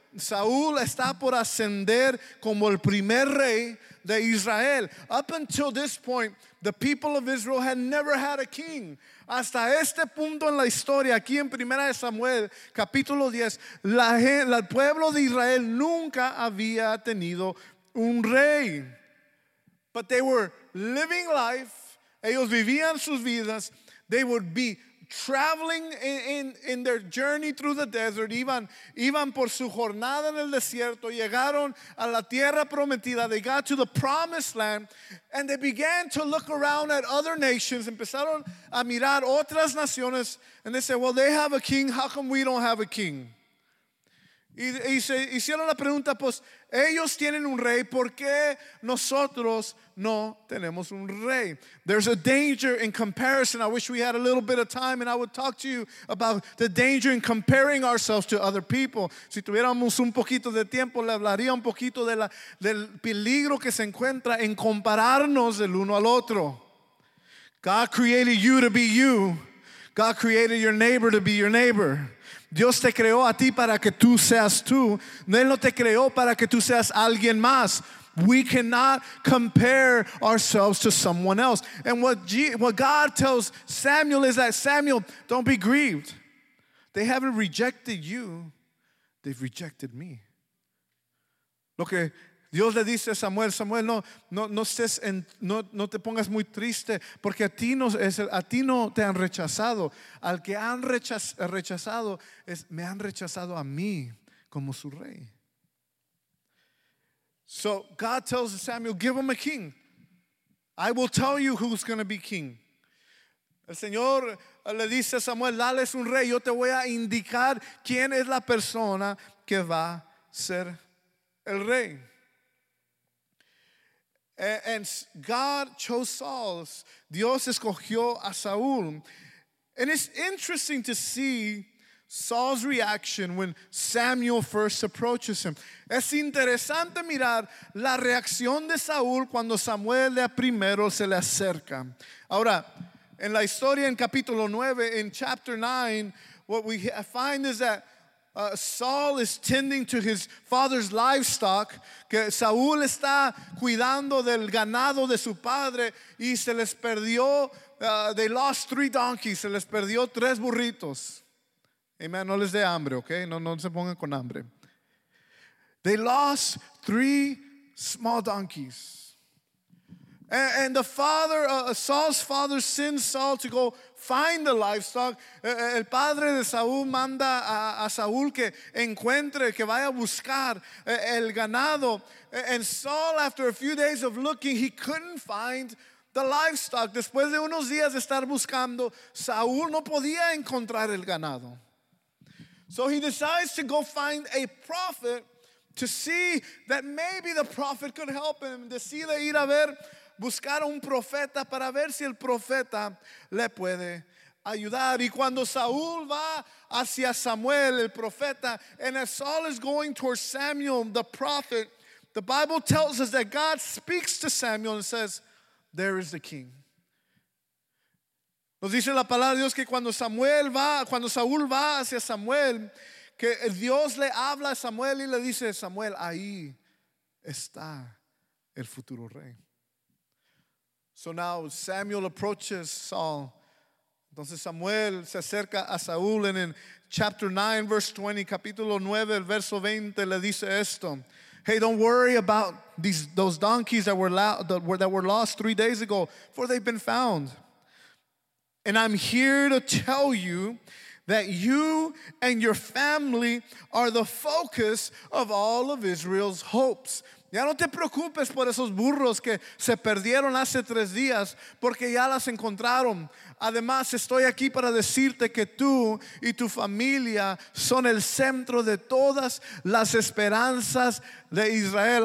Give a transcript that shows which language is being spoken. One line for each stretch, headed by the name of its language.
Spanish: Saúl está por ascender como el primer rey de Israel.
English: Up until this point, the people of Israel had never had a king.
Spanish: Hasta este punto en la historia, aquí en 1 Samuel, capítulo 10, el pueblo de Israel nunca había tenido un rey.
English: But they were living life.
Spanish: Ellos vivían sus vidas.
English: They would be traveling in their journey through the desert.
Spanish: Iban por su jornada en el desierto. Llegaron a la tierra prometida.
English: They got to the promised land. And they began to look around at other nations.
Spanish: Empezaron a mirar otras naciones.
English: And they said, well, they have a king. How come we don't have a king?
Spanish: Y se hicieron la pregunta, pues, ellos tienen un rey. ¿Por qué nosotros no tenemos un rey?
English: There's a danger in comparison. I wish we had a little bit of time and I would talk to you about the danger in comparing ourselves to other people.
Spanish: Si tuviéramos un poquito de tiempo, le hablaría un poquito del peligro que se encuentra en compararnos el uno al otro.
English: God created you to be you. God created your neighbor to be your neighbor.
Spanish: Dios te creó a ti para que tú seas tú. Él no te creó para que tú seas alguien más.
English: We cannot compare ourselves to someone else. And what God tells Samuel is that, Samuel, don't be grieved. They haven't rejected you. They've rejected me.
Spanish: Lo que Dios le dice a Samuel, Samuel, no te pongas muy triste, porque a ti no te han rechazado. Al que han rechazado es, me han rechazado a mí como su rey.
English: So God tells Samuel, give him a king. I will tell you who's going to be king.
Spanish: El Señor le dice a Samuel, dale un rey. Yo te voy a indicar quién es la persona que va a ser el rey.
English: And God chose Saul.
Spanish: Dios escogió a Saúl.
English: And it's interesting to see Saul's reaction when Samuel first approaches him.
Spanish: Es interesante mirar la reacción de Saúl cuando Samuel de primero se le acerca. Ahora, en la historia en capítulo 9,
English: in chapter 9, what we find is that Saul is tending to his father's livestock.
Spanish: Que Saúl está cuidando del ganado de su padre y se les perdió,
English: they lost 3 donkeys,
Spanish: se les perdió 3 burritos. Amen. No les dé hambre, okay? No se pongan con hambre.
English: They lost 3 small donkeys. And the father, Saul's father sends Saul to go find the livestock.
Spanish: El padre de Saúl manda a Saúl que encuentre, que vaya a buscar el ganado.
English: And Saul, after a few days of looking, he couldn't find the livestock.
Spanish: Después de unos días de estar buscando, Saúl no podía encontrar el ganado.
English: So he decides to go find a prophet to see that maybe the prophet could help him.
Spanish: Decide ir a ver, buscar un profeta para ver si el profeta le puede ayudar. Y cuando Saúl va hacia Samuel, el profeta,
English: and as Saul is going towards Samuel, the prophet, the Bible tells us that God speaks to Samuel and says, there is the king.
Spanish: Nos dice la palabra de Dios que cuando Saúl va hacia Samuel, que Dios le habla a Samuel y le dice, Samuel, ahí está el futuro rey.
English: So now Samuel approaches Saul.
Spanish: Entonces Samuel se acerca a Saúl,
English: and in chapter 9, verse 20,
Spanish: capítulo 9, el verso 20, le dice esto.
English: Hey, don't worry about those donkeys that were lost 3 days ago, for they've been found. And I'm here to tell you that you and your family are the focus of all of Israel's hopes.
Spanish: Ya no te preocupes por esos burros que se perdieron hace 3 días, porque ya las encontraron. Además, estoy aquí para decirte que tú y tu familia son el centro de todas las esperanzas de Israel.